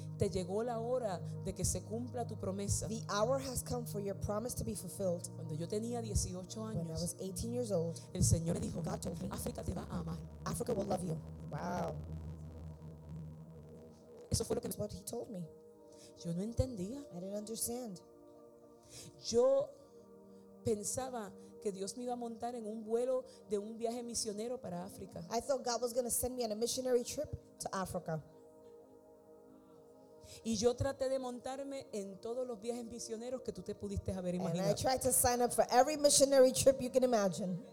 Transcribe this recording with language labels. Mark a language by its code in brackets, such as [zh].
[es] te llegó la hora de que se cumpla tu promesa, [en] the hour has come for your promise to be fulfilled. [es] Cuando yo tenía 18 años, [en] when I was 18 years old, [es] el Señor me dijo, [en] God told me, [es] África te va a amar, [en] Africa will love you. Wow. [es] Eso fue lo que [en] what he told me. [es] Yo no entendía. [en] I didn't understand. [es] Yo pensaba que Dios me iba a montar en un vuelo de un viaje misionero para África. [en] I thought God was going to send me on a missionary trip to Africa. [es] Y yo traté de montarme en todos los viajes misioneros que tú te pudiste haber imaginado. [en] And I tried to sign up for every missionary trip you can imagine.